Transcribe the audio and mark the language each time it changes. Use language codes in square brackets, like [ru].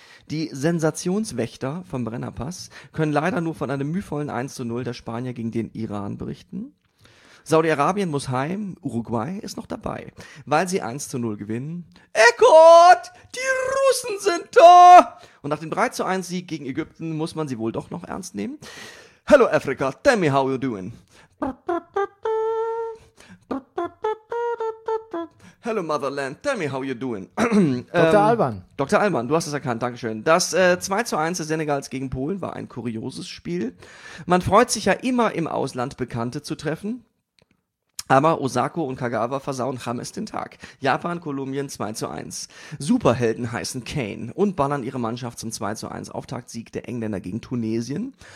[de] Die Sensationswächter vom Brennerpass können leider nur von einem mühvollen 1:0 der Spanier gegen den Iran berichten. Saudi-Arabien muss heim, Uruguay ist noch dabei, weil sie 1:0 gewinnen. Eckhart, die Russen sind da! Und nach dem 3:1-Sieg gegen Ägypten muss man sie wohl doch noch ernst nehmen. [en] Hello Africa, tell me how you doing. Hello Motherland, tell me how you doing. [de] Dr. Alban, du hast es erkannt, dankeschön. Das 2:1 des Senegals gegen Polen war ein kurioses Spiel. Man freut sich ja immer im Ausland Bekannte zu treffen. Aber Osako und Kagawa versauen James den Tag. Japan, Kolumbien 2:1. Superhelden heißen Kane und ballern ihre Mannschaft zum 2:1 Auftaktsieg der Engländer gegen Tunesien.